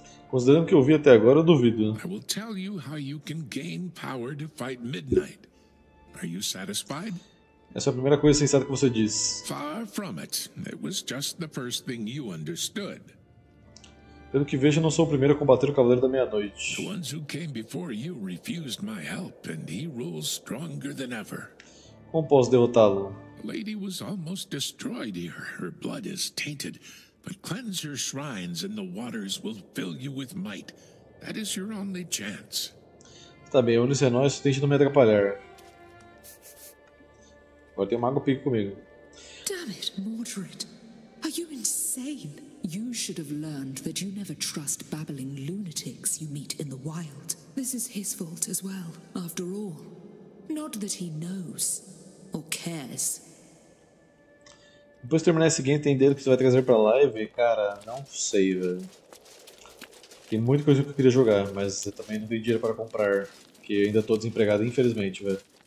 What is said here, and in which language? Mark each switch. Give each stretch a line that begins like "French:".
Portuguese: Considerando o que eu vi até agora, eu duvido.
English: I will tell you how you can gain power to fight midnight. Are you satisfied?
Portuguese: Essa é a primeira coisa sensata que você disse.
English: Far from it. It was just the first thing you understood.
Portuguese: Pelo que vejo, não sou o primeiro a combater o Cavaleiro da Meia-Noite.
English: The ones who came before you refused my help, and he rules stronger than ever.
Portuguese: Como posso derrotá-lo?
English: The lady was almost destroyed here. Her blood is tainted. But cleanse her shrines and the waters will fill you with might. That is your only chance.
Portuguese: Tá bem, onde você é nós, tente não me atrapalhar. Agora tem um mago pico comigo.
English: Damn it, Mordred. Are you insane? You should have learned that you never trust babbling lunatics you meet in the wild. This is his fault as well, after all. Not that he knows or cares.
Portuguese: Depois de terminar esse game, entender o que você vai trazer pra live, cara, não sei, velho. Tem muita coisa que eu queria jogar, mas eu também não tenho dinheiro para comprar, porque eu ainda tô desempregado, infelizmente, velho.